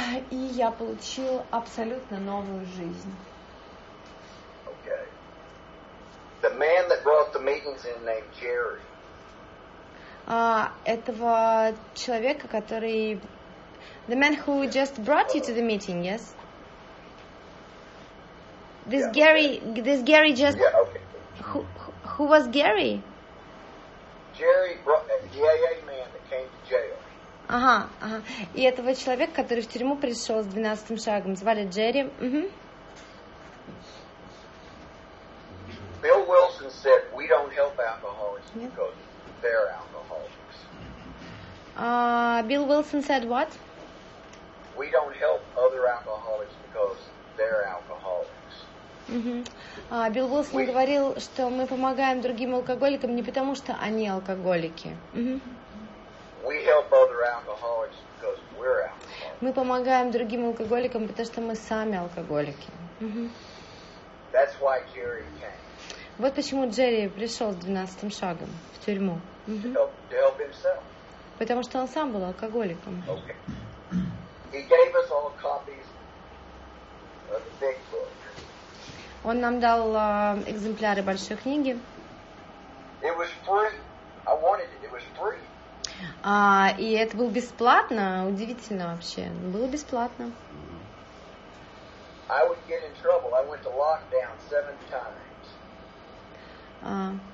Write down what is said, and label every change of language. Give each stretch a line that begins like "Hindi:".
Russian: И я получил абсолютно новую жизнь.
English: Okay. The man that brought the meetings in named Jerry.
Russian: Этого человека, который...
English: The man who just brought you to the meeting, yes? Who was Gary? Jerry brought the AA man that came to jail.
Russian: Ага, ага. И этого человека, который в тюрьму пришел с 12-м шагом, звали Джерри.
English: Билл Уилсон said, we don't help alcoholics because they're alcoholics. Билл Уилсон said what? We don't help other alcoholics because they're alcoholics.
Russian: Билл Уилсон говорил, что мы помогаем другим алкоголикам не потому, что они алкоголики.
English: We help other alcoholics because we're alcoholics.
Russian: Мы помогаем другим алкоголикам, потому что мы сами алкоголики.
English: That's why Jerry came.
Russian: Вот почему Джерри пришел с 12-м шагом в тюрьму.
English: To help himself.
Russian: Потому что он сам был алкоголиком.
English: Okay. He gave us all copies of the big book.
Russian: Он нам дал экземпляры большой книги.
English: It was free. I wanted it. It was free.
Russian: И это было бесплатно, удивительно вообще, было бесплатно.
English: I would get in trouble. I went to lockdown 7 times.